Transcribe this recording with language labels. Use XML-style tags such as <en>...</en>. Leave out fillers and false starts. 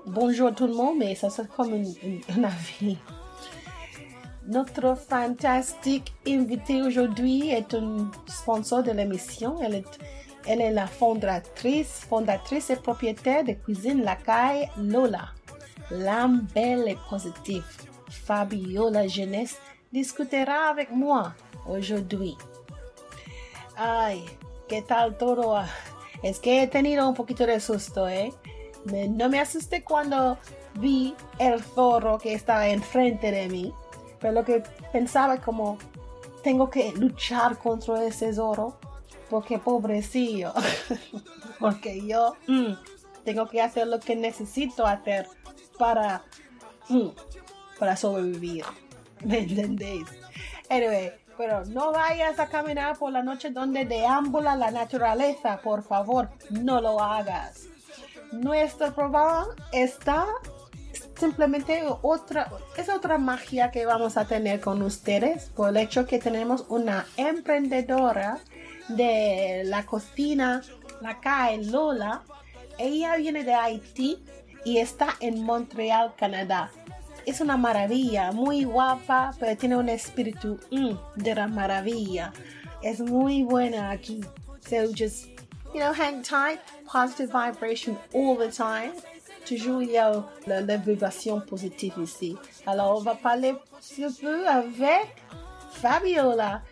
<fr>Bonjour tout le monde, mais ça c'est comme un avis. Notre fantastique invitée aujourd'hui est une sponsor de l'émission. Elle est la fondatrice et propriétaire de Cuisine Lakay, Lola. L'âme belle et positive, Fabiola Geneste discutera avec moi aujourd'hui.</fr> <es>Ay, ¿qué tal todo? Es que he tenido un poquito de susto, No me asusté cuando vi el zorro que estaba enfrente de mí. Pero lo que pensaba como, tengo que luchar contra ese zorro, porque pobrecillo. Porque yo tengo que hacer lo que necesito hacer para sobrevivir. ¿Me entendéis? Anyway, pero no vayas a caminar por la noche donde deambula la naturaleza. Por favor, no lo hagas. Nuestro programa está simplemente es otra magia que vamos a tener con ustedes por el hecho que tenemos una emprendedora de la cocina, Lakay, Lola. Ella viene de Haití y está en Montreal, Canadá. Es una maravilla, muy guapa, pero tiene un espíritu de la maravilla. Es muy buena aquí.</es> <en>So just, you know, hang tight, positive vibration all the time.</en> <fr>Toujours il y a la vibration positive ici. Alors, on va parler un peu avec Fabiola.</fr>